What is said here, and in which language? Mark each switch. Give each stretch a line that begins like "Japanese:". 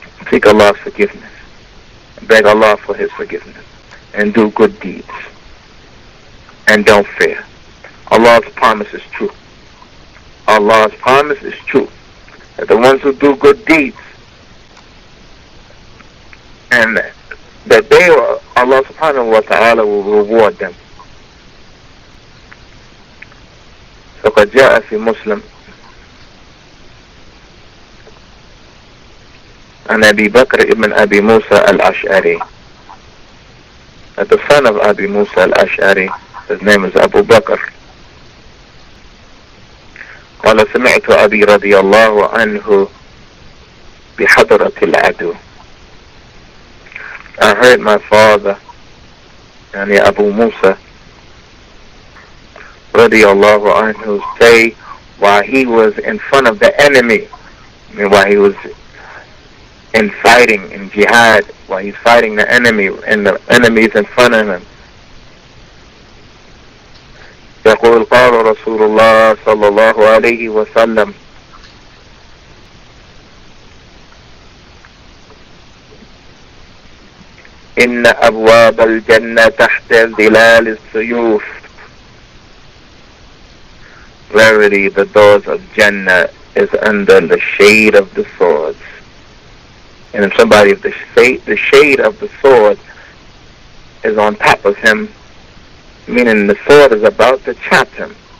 English: Seek Allah's forgiveness. Beg Allah for His forgiveness. And do good deeds. And don't fear. Allah's promise is true. Allah's promise is true. That the ones who do good deeds, and that they, Allah subhanahu wa ta'ala, will reward them.
Arabic: So, قد جاء في مسلم عن أبي بكر ابن أبي موسى الأشعري.
English: The son of Abi Musa al-Ash'ari, his name is Abu Bakr.
Arabic: قال سمعت أبي رضي الله عنه بحضرة العدو.
English: I heard my father,
Arabic: يعني أبو موسى رضي الله عنه,
English: say while he was in front of the enemy, while he was in fighting, in jihad, while he's fighting the enemy, and the enemy's in front of him.
Arabic: يقول قال رسول الله صلى الله عليه وسلم إن أبواب الجنة تحت ظلال السيوف.
English: Verily, the doors of Jannah is under the shade of the swords. And if somebody, the shade of the sword is on top of him, meaning the sword is about to chop him.